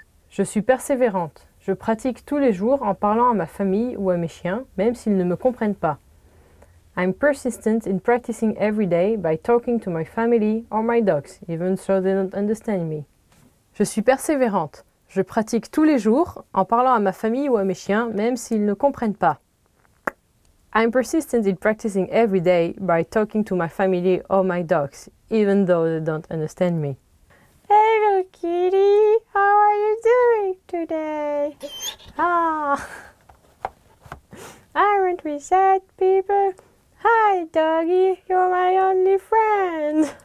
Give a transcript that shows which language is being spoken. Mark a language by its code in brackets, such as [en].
[fr] Je suis persévérante. Je pratique tous les jours en parlant à ma famille ou à mes chiens, même s'ils ne me comprennent pas. [en] I'm persistent in practicing every day by talking to my family or my dogs, even though they don't understand me. [fr] Je suis persévérante. Je pratique tous les jours en parlant à ma famille ou à mes chiens, même s'ils ne comprennent pas. [en] I'm persistent in practicing every day by talking to my family or my dogs, even though they don't understand me. Hey little kitty, how are you doing today? Aren't we sad people? Hi doggy, you're my only friend.